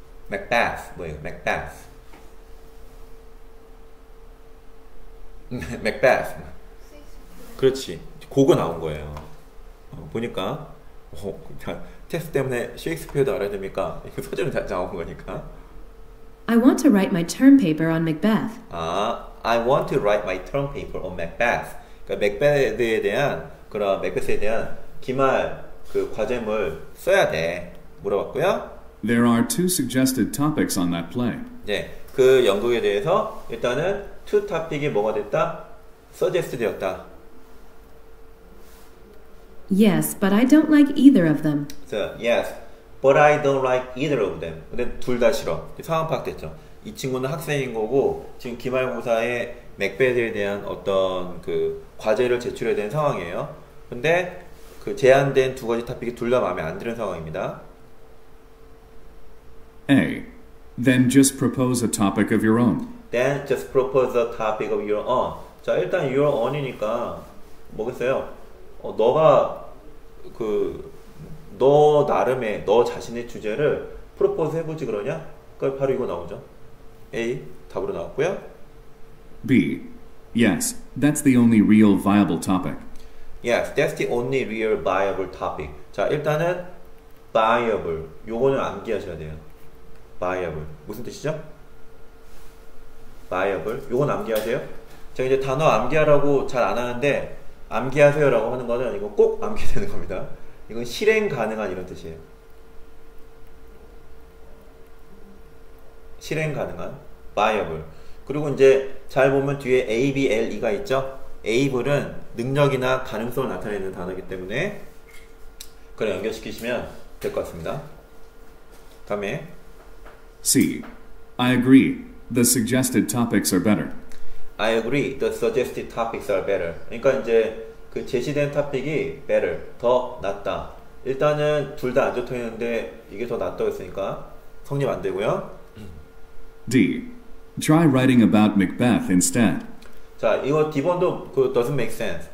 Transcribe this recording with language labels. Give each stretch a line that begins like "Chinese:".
Korean: Macbeth, 뭐예요? Macbeth. Macbeth. 그렇지. 고거 나온 거예요. 보니까, 테스트 때문에 셰익스피어도 알아야 됩니까? 이거 서점에 다 나온 거니까.
English: I want to write my term paper on Macbeth.
Korean: 아,
English: I want to write my term paper on Macbeth.
Korean: 그러니까 맥베스에 대한 그럼 맥베스에 대한 기말 그 과제물 써야 돼 물어봤고요.
English: There are two suggested topics on that play.
Korean: 네, 그 연극에 대해서 일단은 two topic이 뭐가 됐다? Suggest 되었다.
English: Yes, but I don't like either of them. So, yes, but I don't like either of them.
Korean: 근데 둘 다 싫어. 상황 파악됐죠. 이 친구는 학생인 거고 지금 기말고사에 맥베스에 대한 어떤 그 과제를 제출해야 되는 상황이에요. 근데 그 제안된 두 가지 토픽이 둘 다 마음에 안 드는 상황입니다.
English: A. Then just propose a topic of your own. Then just propose a topic of your own.
Korean: 자, 일단
English: your own
Korean: 이니까 뭐겠어요? 너가 그 너 나름의 너 자신의 주제를 프로포즈 해보지 그러냐? 그걸 바로 이거 나오죠. A 답으로 나왔고요.
English: B. Yes, that's the only real viable topic. Yes, that's the only real viable topic.
Korean: 자, 일단은 viable 요거는 암기하셔야 돼요. viable 무슨 뜻이죠? viable 요거 암기하세요. 제가 이제 단어 암기하라고 잘 안 하는데 암기하세요라고 하는 거는 이거 꼭 암기해야 되는 겁니다. 이건 실행 가능한 이런 뜻이에요. 실행 가능한 viable. 그리고 이제 잘 보면 뒤에 able가 있죠. able은 능력이나 가능성을 나타내는 단어이기 때문에 그걸 연결시키시면 될 것 같습니다. 다음에
English: C. I agree. The suggested topics are better. I agree. The suggested topics are better.
Korean: 그러니까 이제 그 제시된 topic이 better, 더 낫다. 일단은 둘 다 안 좋다 했는데 이게 더 낫다고 했으니까 성립 안 되고요.
English: D. Try writing about Macbeth instead.
Korean: 자, 이거 D번도 그
English: doesn't make sense.